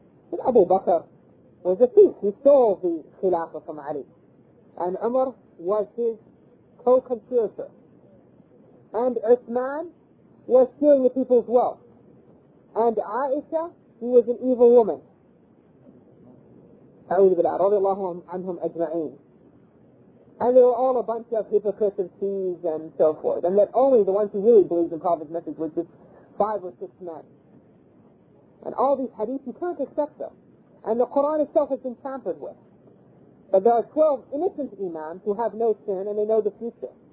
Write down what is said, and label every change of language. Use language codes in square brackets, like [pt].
[en] But Abu Bakr was a thief. He stole the Khilafah from Ali. And Umar was his co-conspirator. And Uthman was stealing the people's wealth. And Aisha, who was an evil woman. [ar] أعوذ بالله رضي الله عنهم أجمعين. [en] And they were all a bunch of hypocrites and thieves and so forth. And that only the ones who really believed in Prophet's message was just five or six men. And all these hadiths, you can't accept them. And the Quran itself has been tampered with. But there are 12 innocent imams who have no sin and they know the future.